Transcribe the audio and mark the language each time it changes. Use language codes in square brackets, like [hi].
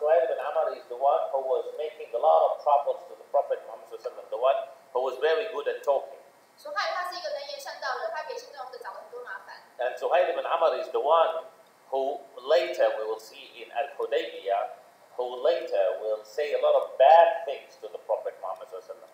[en] Suhail ibn Amr is the one who was making a lot of troubles to the Prophet Muhammad SAW. The one who was very good at talking. [zh] 苏海他是一个能言善道的，他给先知穆罕默德找了很多麻烦。 [en] And Suhail ibn Amr is the one who later we will see in Al-Hudaybiyah, who later will say a lot of bad things to the Prophet Muhammad SAW.